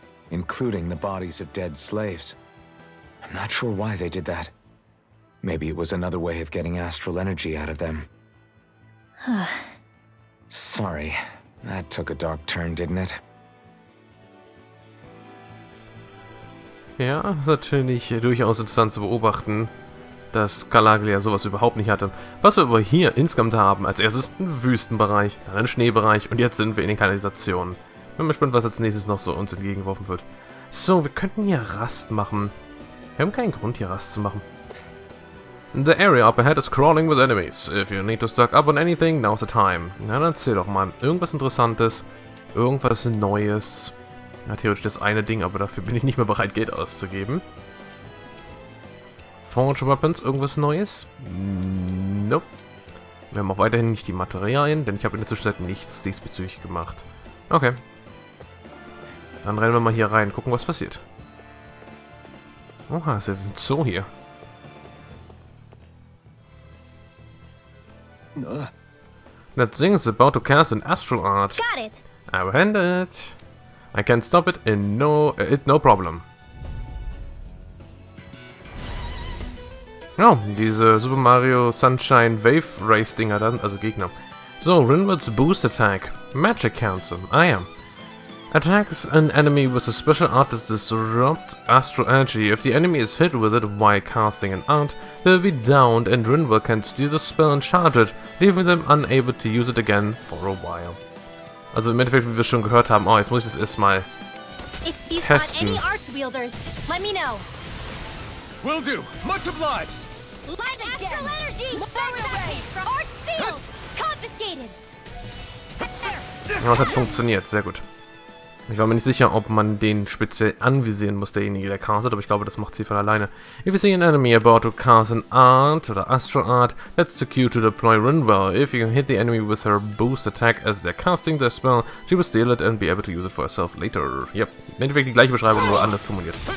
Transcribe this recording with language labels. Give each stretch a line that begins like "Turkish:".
English: Including the bodies of dead slaves. I'm not sure why they did that. Maybe it was another way of getting astral energy out of them. Sorry, that took a dark turn, didn't it?
German: Ja, ist natürlich durchaus interessant zu beobachten, dass Calaglia sowas überhaupt nicht hatte. Was wir aber hier insgesamt haben, als erstes ein Wüstenbereich, dann ein Schneebereich und jetzt sind wir in den Kanalisationen. Bin mal gespannt, was als nächstes noch so uns entgegengeworfen wird. So, wir könnten hier Rast machen. Wir haben keinen Grund, hier Rast zu machen.
English: The area up ahead is crawling with enemies. If you need to stock up on anything, now's the time.
German: Na, dann erzähl doch mal. Irgendwas Interessantes, irgendwas Neues. Na, theoretisch das eine Ding, aber dafür bin ich nicht mehr bereit, Geld auszugeben. Forge Weapons, irgendwas Neues? Nope. Wir haben auch weiterhin nicht die Materialien, denn ich habe in der Zwischenzeit nichts diesbezüglich gemacht. Okay. Dann rennen wir mal hier rein, gucken, was passiert. Oha, ist jetzt ein Zoo hier.
English: That thing is about to cast an astral art. Got it. Apprehended. I can't stop it. No problem.
German: Ja, diese Super Mario Sunshine Wave Race Dinger dann, also Gegner. So, Rinwood's Boost Attack. Magic Council. Ah ja.
English: Attacks an enemy with a special art that disrupts astral energy. If the enemy is hit with it while casting an art, they'll be downed and Rinwood can steal the spell and charge it, leaving them unable to use it again for a while.
German: Also im Endeffekt, wie wir schon gehört haben, oh, jetzt muss ich das erstmal testen.
English: Will do. Much obliged. Light again. Astral energy. Art sealed. Confiscated.
German: Ja, das hat funktioniert. Sehr gut. Ich war mir nicht sicher, ob man den speziell anvisieren muss, derjenige, der castet, aber ich glaube, das macht sie von alleine.
English: If you see an enemy about to cast an art oder astral art, that's the cue to deploy Rinwell. If you can hit the enemy with her boost attack as they're casting their spell, she will steal it and be able to use it for herself later. Yep.
German: Im Endeffekt die gleiche Beschreibung, nur anders formuliert.